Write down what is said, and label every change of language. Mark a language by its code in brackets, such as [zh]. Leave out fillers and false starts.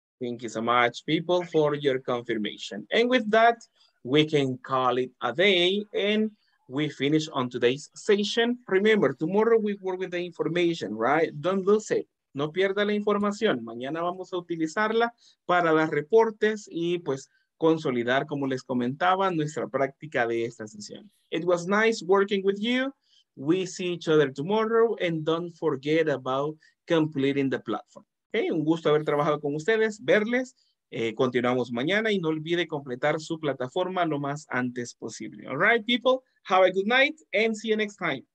[en] Thank you so much, people, for your confirmation. And with that, we can call it a day and we finish on today's session. Remember, tomorrow we work with the information, right? Don't lose it. [es] No pierda la información. Mañana vamos a utilizarla para los reportes y pues consolidar, como les comentaba, nuestra práctica de esta sesión. [en] It was nice working with you. We see each other tomorrow and don't forget about completing the platform. [es] Okay? Un gusto haber trabajado con ustedes, verles. Continuamos mañana y no olvide completar su plataforma lo más antes posible. [en] All right, people, have a good night and see you next time.